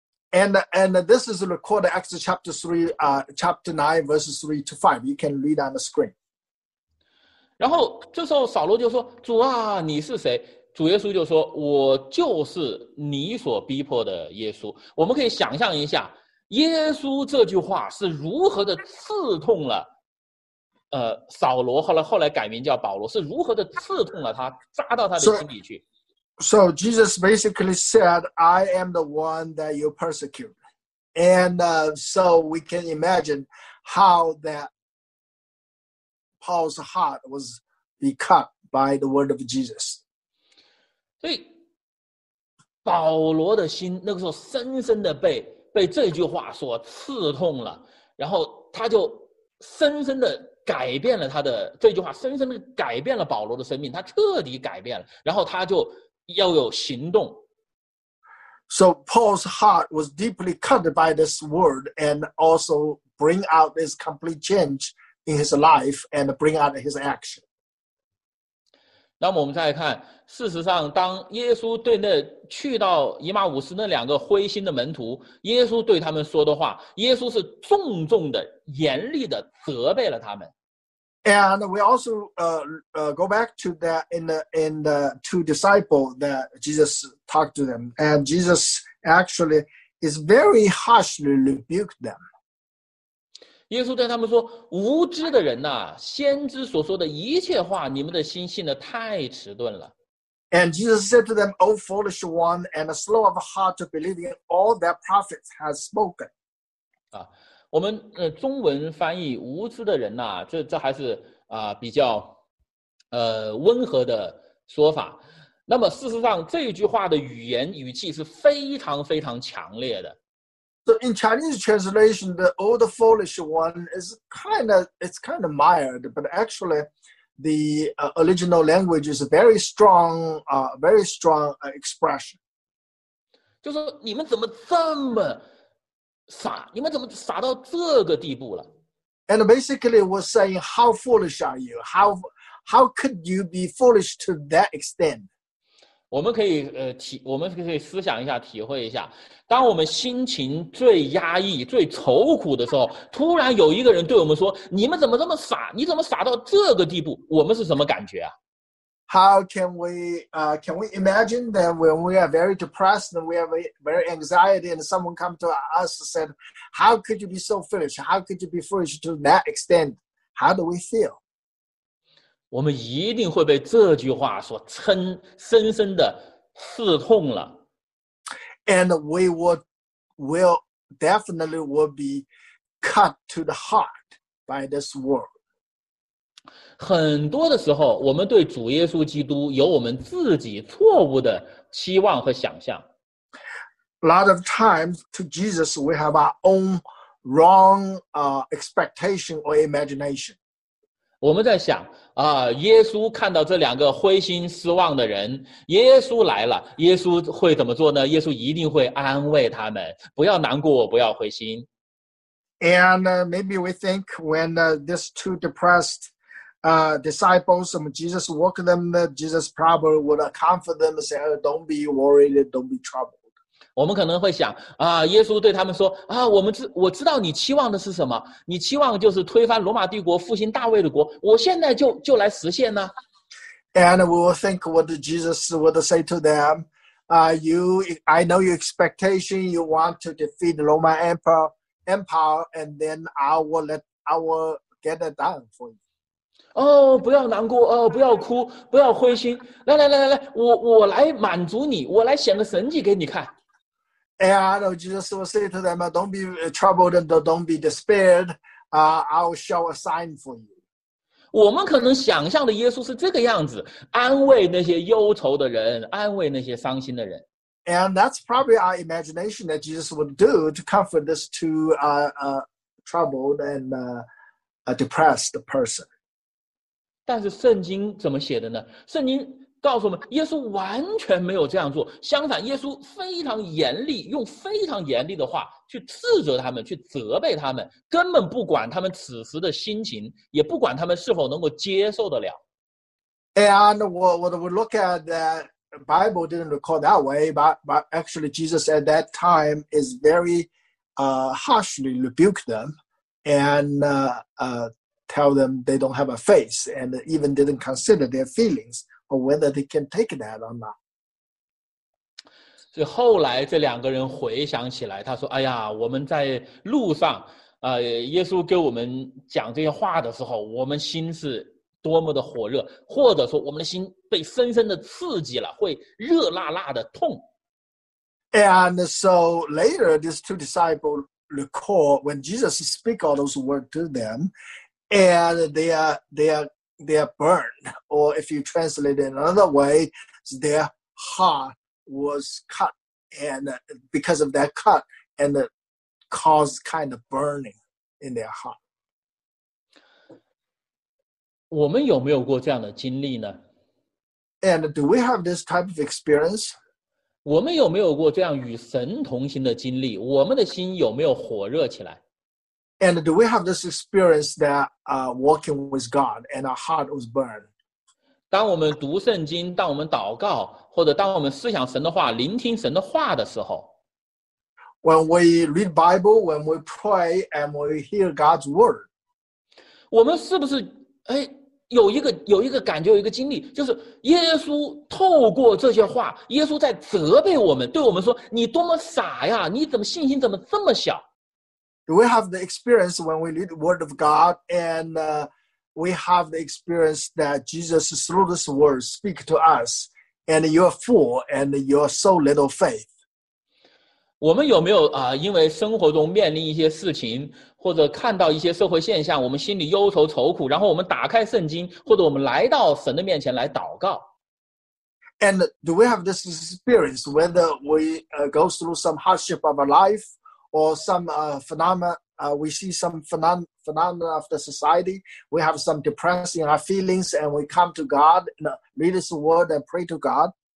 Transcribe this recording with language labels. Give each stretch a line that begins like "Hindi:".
English: And this is recorded Acts chapter 3, chapter 9, verses 3 to 5. You can read on the screen.
Chinese: 然后这时候扫罗就说，主啊，你是谁？主耶稣就说，我就是你所逼迫的耶稣。我们可以想象一下，耶稣这句话是如何的刺痛了扫罗，后来改名叫保罗，是如何的刺痛了他，扎到他的心里去。
English: So Jesus basically said, I am the one that you persecute. And so we can imagine how that Paul's heart was be cut by the word of Jesus.
Chinese: 对，保罗的心那个时候深深的被这句话所刺痛了，然后他就深深的改变了他的，这句话深深的改变了保罗的生命，他彻底改变了，然后他就要有行动。
English: So Paul's heart was deeply cut by this word and also bring out this complete change in his life and bring out his action.
Chinese: 那么我们再看，事实上当耶稣对那去到以马忤斯那两个灰心的门徒，耶稣对他们说的话，耶稣是重重的严厉的责备了他们。
English: And we also go back to that in the two disciples that Jesus talked to them. And Jesus actually is very harshly rebuked them.
Chinese: 耶稣对他们说，无知的人啊，先知所说的一切话，你们的心信的太迟钝了。
English: And Jesus said to them, O foolish one, and slow of heart to believe in all that prophets have spoken.
Chinese: 我们中文翻译无知的人呐、啊，这还是比较温和的说法。那么事实上，这句话的语言语气是非常非常强烈的。
English: So in Chinese translation, the old foolish one is kind of mild, but actually, the original language is a very strong, expression.
Chinese: 就说你们怎么这么傻，你们怎么傻到这个地步了？
English: And basically was saying, how foolish are you? How could you be foolish to that extent?
Chinese: 我们可以我们可以思想一下，体会一下，当我们心情最压抑最愁苦的时候，突然有一个人对我们说，你们怎么这么傻，你怎么傻到这个地步，我们是什么感觉啊？
English: How can we imagine that when we are very depressed and we have very anxiety and someone come to us and said, how could you be so foolish? How could you be foolish to that extent? How do we feel?
Chinese: 我们一定会被这句话所深深的刺痛了。
English: And we will definitely be cut to the heart by this word.
Chinese: 很多的时候我们对主耶稣基督有我们自己错误的期望和想象。
English: A lot of times to Jesus we have our own wrong expectation or imagination.
Chinese: 我们在想啊，耶稣看到这两个灰心失望的人，耶稣来了，耶稣会怎么做呢？耶稣一定会安慰他们，不要难过，不要灰心。
English: And maybe we think when these two depressed disciples, Jesus walked them, Jesus probably would comfort them, say, oh, "Don't be worried, don't be troubled."
Chinese: 我们可能会想啊，耶稣对他们说啊，我知道你期望的是什么，你期望就是推翻罗马帝国，复兴大卫的国，我现在就来实现呢。
English: And we will think what Jesus would say to them, "You, I know your expectation. You want to defeat the Roman Emperor." Empire, and then I will get it done for you.
Chinese: Oh, 不要难过，哦，不要哭，不要灰心。来来来来来，我来满足你，我来显个神迹给你看。
English: And Jesus will say to them, "Don't be troubled and don't be despaired. I'll show a sign for you."
Chinese: 我们可能想象的耶稣是这个样子，安慰那些忧愁的人，安慰那些伤心的人。
English: And that's probably our imagination that Jesus would do to comfort this two troubled and depressed person.
Chinese: 但是圣经怎么写的呢？圣经告诉我们，耶稣完全没有这样做。相反，耶稣非常严厉，用非常严厉的话去斥责他们，去责备他们，根本不管他们此时的心情，也不管他们是否能够接受得了。
English: And what we look at that. Bible didn't record that way, but actually Jesus at that time is very harshly rebuked them and tell them they don't have a faith and even didn't consider their feelings or whether they can take that or not.
Chinese: 所以后来这两个人回想起来，他说：“哎呀，我们在路上，耶稣给我们讲这些话的时候，我们心是。” 多么的火热，或者说我们的心被深深的刺激了，会热辣辣的痛。
English: And so later, these two disciples recall when Jesus speak all those words to them, and they are burned. Or if you translate it another way, their heart was cut, and because of that cut, and caused kind of burning in their heart.
Chinese: 我们有没有过这样的经历呢？
English: And do we have this type of experience?
Chinese: 我们有没有过这样与神同行的经历？我们的心有没有火热起来？
English: And do we have this experience that walking with God and our heart was burned?
Chinese: 当我们读圣经，当我们祷告，或者当我们思想神的话，聆听神的话的时候，
English: When we read Bible, when we pray, and we hear God's word,
Chinese: 我们是不是哎，有一个感觉，有一个经历，就是耶稣透过这些话，耶稣在责备我们，对我们说：“你多么傻呀！你怎么信心怎么这么小
English: ？”Do we have the experience when we read the Word of God, and we have the experience that Jesus through this word speak to us, and you're a fool, and you're so little faith?
Chinese: 我们有没有啊？因为生活中面临一些事情。或者看到一些社会现象，我们心里忧愁愁苦，然后我们打开圣经，或者我们来到神的面前来祷告。
English: And do we have this experience whether we go through some hardship of our life or some phenomena? We see some phenomena of the society. We have some depression in our feelings, and we come to God, read His word, and pray to God.